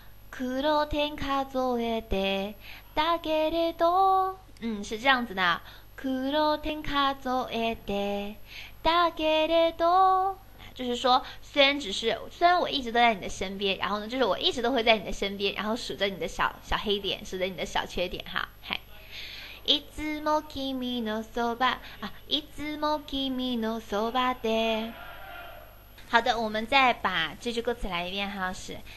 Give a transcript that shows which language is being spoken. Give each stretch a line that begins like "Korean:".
Japanese: 黒点数えてだけれど，
Chinese: 是这样子的。
Japanese: 黒点数えてだけれど，
Chinese: 就是说，虽然我一直都在你的身边，然后呢，就是我一直都会在你的身边，然后数着你的小小黑点，数着你的小缺点哈。
Japanese: はい、いつも君のそば
Chinese: 啊，
Japanese: いつも君のそばで。
Chinese: 好的，我们再把这句歌词来一遍哈，是